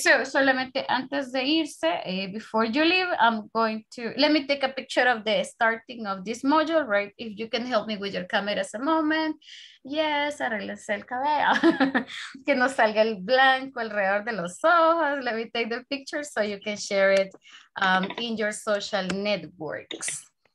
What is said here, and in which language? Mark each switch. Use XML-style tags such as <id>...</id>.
<en>So,</en> <es>solamente antes de irse,</es> <en>before you leave, I'm going to, let me take a picture of the starting of this module, right? If you can help me with your cameras a moment.</en> <es>Yes, arreglense el cabello. Que no salga el blanco alrededor de los ojos.</es> <en>Let me take the picture so you can share it in your social networks.</en>